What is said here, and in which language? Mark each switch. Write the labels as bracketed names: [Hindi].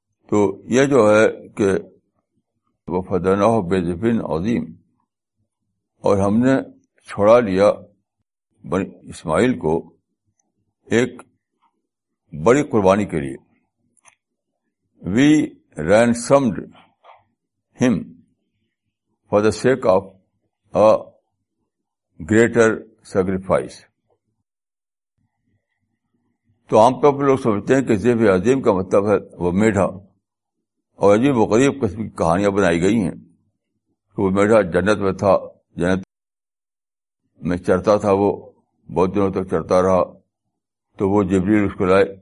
[Urdu] تو یہ جو ہے کہ [Arabic] وفدناہ بذبح عظیم, [Urdu] اور ہم نے چھوڑا لیا بنی اسماعیل کو ایک بڑی قربانی کے لیے. [English] We ransomed him for the sake of a greater sacrifice. [Urdu] تو عام طور پر لوگ سمجھتے ہیں کہ ذبح عظیم کا مطلب ہے وہ میڑھا, اور عجیب و غریب قسم کی کہانیاں بنائی گئی ہیں کہ وہ میڑھا جنت میں تھا, جنت میں چرتا تھا, وہ بہت دنوں تک چرتا رہا, تو وہ جبریل اس کو لائے.